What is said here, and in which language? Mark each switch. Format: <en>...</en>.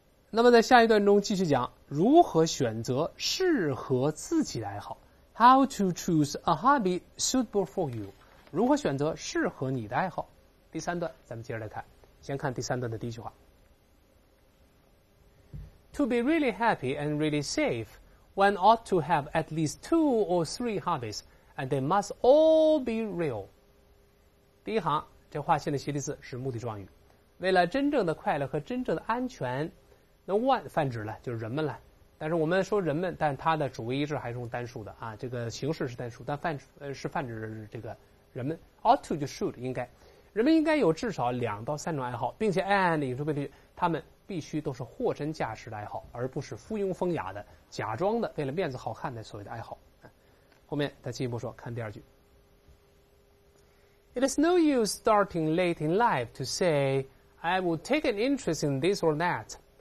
<zh>那么在下一段中继续讲如何选择适合自己的爱好。</zh> <en>How to choose a hobby suitable for you，</en> <zh>如何选择适合你的爱好。第三段咱们接着来看，先看第三段的第一句话。</zh> <en>To be really happy and really safe, one ought to have at least two or three hobbies, and they must all be real。</en> <zh>第一行这划线的斜体字是目的状语，为了真正的快乐和真正的安全，那 one 泛指了就是人们了，但是我们说人们，但它的主谓一致还是用单数的啊，这个形式是单数，但泛指这个人们。 ought to 就 should 应该，人们应该有至少两到三种爱好，并且 and 引出备注，他们必须都是货真价实的爱好，而不是附庸风雅的假装的为了面子好看的所谓的爱好。后面再进一步说，看第二句。</zh> <en>It is no use starting late in life to say I will take an interest in this or that。</en>